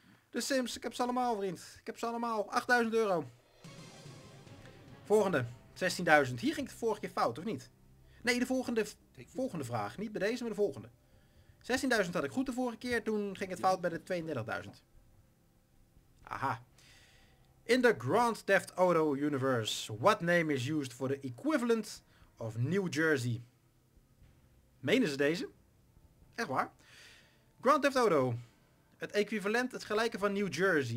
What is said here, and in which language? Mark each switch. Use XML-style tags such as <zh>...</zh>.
<nl>The Sims, ik heb ze allemaal, vriend. Ik heb ze allemaal. €8000. Volgende. 16.000. Hier ging het de vorige keer fout, of niet? Nee, de volgende vraag. Niet bij deze, maar de volgende. 16.000 had ik goed de vorige keer. Toen ging het fout bij de 32.000. Aha.</nl> <en>In the Grand Theft Auto universe, what name is used for the equivalent of New Jersey?</en> <nl>Menen ze deze? Echt waar? Grand Theft Auto. Het equivalent, het gelijke van New Jersey.</nl>